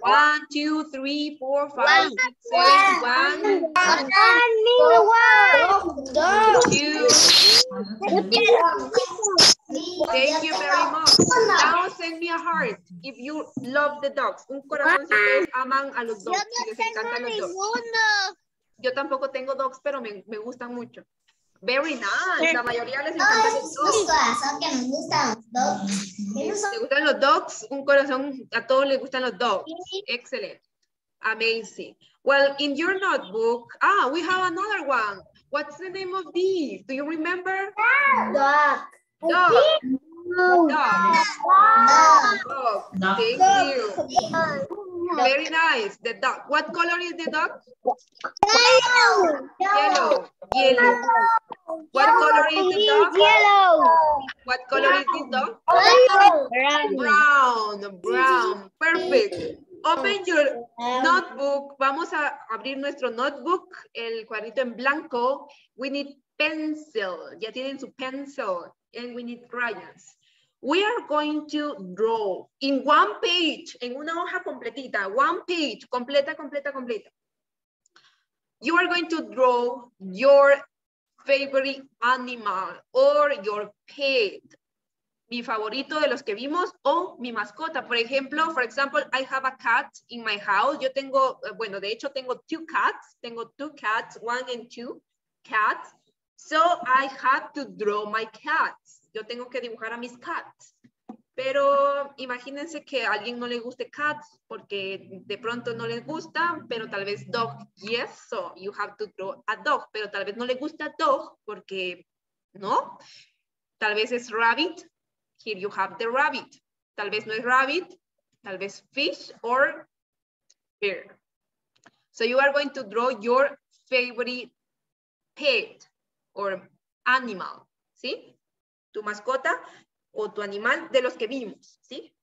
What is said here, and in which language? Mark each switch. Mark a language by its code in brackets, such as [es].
[en] One, two, three, four, five, six, seven. Thank you very much. Now send me a heart if you love the dogs. [es] Un corazón si ustedes aman a los dogs. Si les encantan los dogs. Yo tampoco tengo dogs, pero me gustan mucho. [en] Very nice. [es] La mayoría les encanta los dogs. Mi corazón que me gustan los dogs. ¿Te gustan los dogs? Un corazón, a todos les gustan los dogs. [en] Excellent. Amazing. Well, in your notebook, we have another one. What's the name of these? Do you remember? Dog. Dog. Dog. Dog. Dog. Thank you. Very nice. The dog. What color is the dog? Yellow. Yellow. Yellow. What color is the dog? Yellow. What color is this dog? Brown. Brown. Brown. Perfect. Open your notebook. [es] Vamos a abrir nuestro notebook, el cuadrito en blanco. [en] We need pencil. [es] Ya tienen su pencil. [en] And we need crayons. We are going to draw in one page, [es] en una hoja completita. [en] One page, [es] completa, completa, completa. [en] You are going to draw your favorite animal or your pet. [es] Mi favorito de los que vimos o mi mascota. Por ejemplo, [en] for example, I have a cat in my house. [es] Yo tengo, bueno, de hecho tengo two cats. [en] Tengo two cats, one and two cats. So I have to draw my cats. [es] Yo tengo que dibujar a mis cats. Pero imagínense que a alguien no le guste cats porque de pronto no les gusta, pero tal vez dog, yes, [en] so you have to draw a dog. [es] Pero tal vez no le gusta dog porque no. Tal vez es rabbit. [en] Here you have the rabbit. [es] Tal vez no es rabbit. Tal vez fish or bear. [en] So you are going to draw your favorite pet or animal. [es] ¿Sí? Tu mascota o tu animal de los que vimos, ¿sí?